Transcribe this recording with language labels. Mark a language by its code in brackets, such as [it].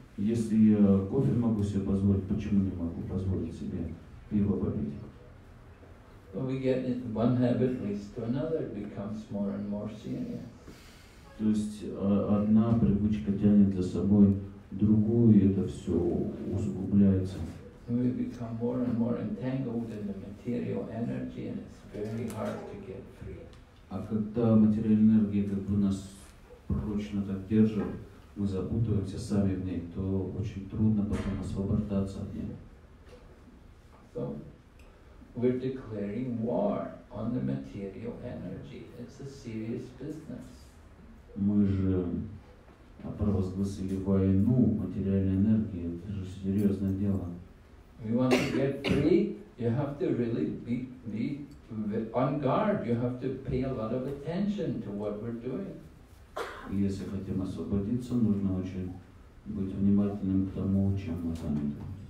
[ru] Если я кофе могу себе позволить, почему не могу позволить себе пиво попить? [en] So we get one habit leads to another. It becomes more and more serious. [ru] То есть одна привычка тянет за собой другую, и это все усугубляется. [en] We become more and more entangled in the material energy, and it's very hard to get free. [ru] А когда материальная энергия как бы нас прочно так держит, мы запутываемся сами в ней, то очень трудно потом освобождаться от нее. [en] So, we're declaring war on the material energy. It's a serious business. [ru] Мы же провозгласили войну материальной энергии. Это же серьезное дело. [en] We want to get free. You have to really be on guard. You have to pay a lot of attention to what we're doing. [ru] Если хотим освободиться, нужно очень быть внимательным к тому, чем мы заняты.